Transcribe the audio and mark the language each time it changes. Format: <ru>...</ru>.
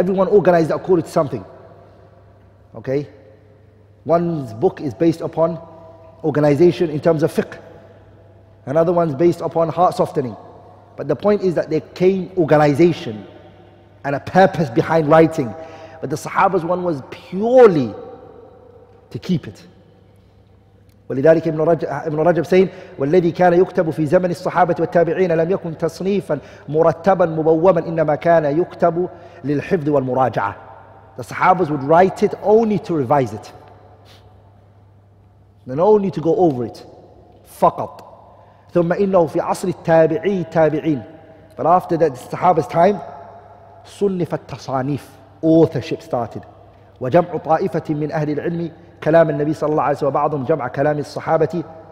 <en>Everyone organized according to something. Okay? One's book is based upon organization in terms of fiqh. Another one's based upon heart softening. But the point is that there came organization and a purpose behind writing. But the Sahaba's one was purely to keep it.</en> <ar>ولذلك ابن رجب</ar> <en>saying,</en> <ar>والذي كان يكتب في زمن الصحابة والتابعين لم يكن تصنيفا مرتبا مبوما إنما كان يكتب للحفظ والمراجعة.</ar> <en>The Sahabas would write it only to revise it. And only to go over it.</en> <ar>فقط. ثم إنه في عصر التابعي تابعين.</ar> <en>But after that, the Sahabas time,</en> <ar>صنف التصانيف.</ar> <en>Authorship started.</en> <ar>وجمع طائفة من أهل العلم كلام النبي صلى الله عليه وسلم وبعضهم جمع كلام الصحابة.</ar>